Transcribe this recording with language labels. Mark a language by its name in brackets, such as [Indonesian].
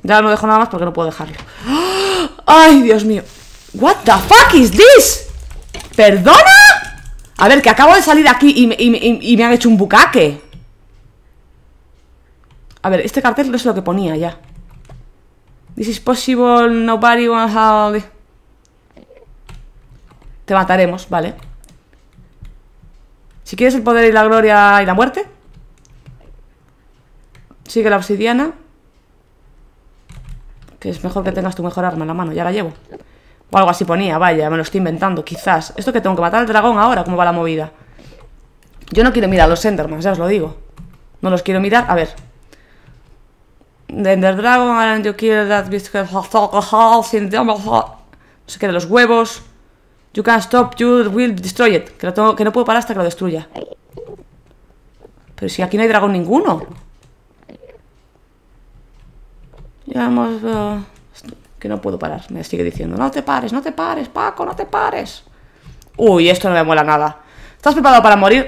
[Spanish] Ya no dejo nada más porque no puedo dejarlo. ¡Ay, Dios mío! [English] ¿What the fuck is this? [Spanish] ¿Perdona? A ver, que acabo de salir aquí y me han hecho un bucaque. A ver, este cartel no es lo que ponía ya. [English] This is possible, nobody wants all the... [Spanish] Te mataremos, vale. Si quieres el poder y la gloria y la muerte, sigue la obsidiana. Que es mejor que tengas tu mejor arma en la mano. Ya la llevo. O algo así ponía, vaya, me lo estoy inventando, quizás. Esto que tengo que matar al dragón ahora, ¿cómo va la movida? Yo no quiero mirar a los Endermans, ya os lo digo. No los quiero mirar, a ver. [English] The Ender Dragon, and you kill that beast in the... [Spanish] No sé qué, de los huevos. [English] You can't stop, you will destroy it. [Spanish] Que no puedo parar hasta que lo destruya. Pero si aquí no hay dragón ninguno. Ya hemos... Que no puedo parar, me sigue diciendo. No te pares, no te pares, Paco, no te pares. Uy, esto no me mola nada. ¿Estás preparado para morir?